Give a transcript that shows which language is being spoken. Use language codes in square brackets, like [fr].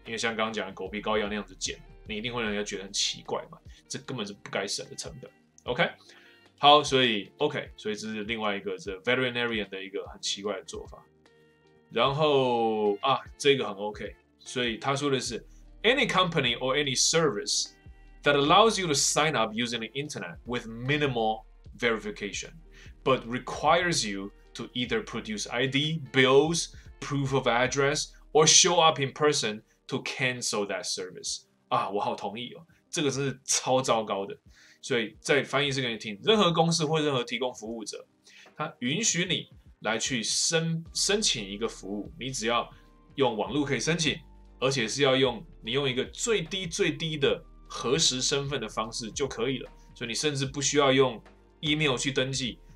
[zh] 因为像刚刚讲的狗皮膏药那样子剪，你一定会让人家觉得很奇怪嘛，这根本是不该省的成本。 OK， 好，所以 OK， 所以这是另外一个这 veterinarian 的一个很奇怪的做法。然后啊，这个很 OK， 所以他说的是。 [en] Any company or any service that allows you to sign up using the internet with minimal verification, but requires you to either produce ID, bills, proof of address, or show up in person to cancel that service. [zh] 啊，我好同意哦，这个真是超糟糕的。所以再翻译这个给你听，任何公司或任何提供服务者，他允许你来去申请一个服务，你只要用网络可以申请。而且是要用你用一个最低最低的核实身份的方式就可以了，所以你甚至不需要用 email 去登记，